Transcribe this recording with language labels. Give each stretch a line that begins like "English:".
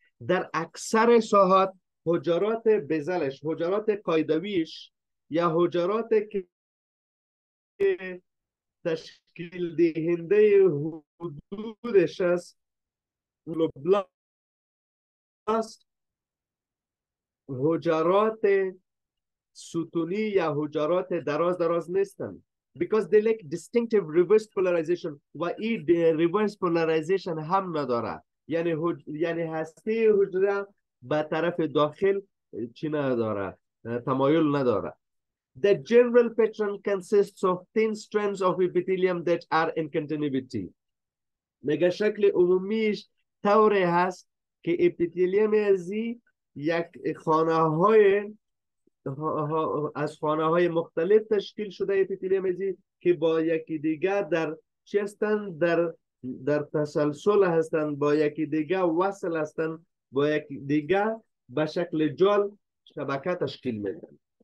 Persian: در اکثر ساحات حجرات بزلش، حجرات قایدویش یا حجرات که تشکیل دهنده حدودش است، amyloblast حجرات ستونی یا حجرات دراز دراز نیستن.
English: Because they lack distinctive reverse polarization
Persian: و ای reverse polarization هم نداره. یعنی هسته حجره به طرف داخل چی نداره؟ تمایل نداره.
English: The general pattern consists of thin strands of epithelium that are in continuity.
Persian: مگه شکل عمومیش طوره هست که اپیتیلیم ازی یک خانه های از خانه های مختلف تشکیل شده اپیتیلیم ازی که با یکی دیگه در چستن در تسلسل هستن با یکی دیگه وصل هستن با یکی دیگه به شکل جال شبکه تشکیل میدن.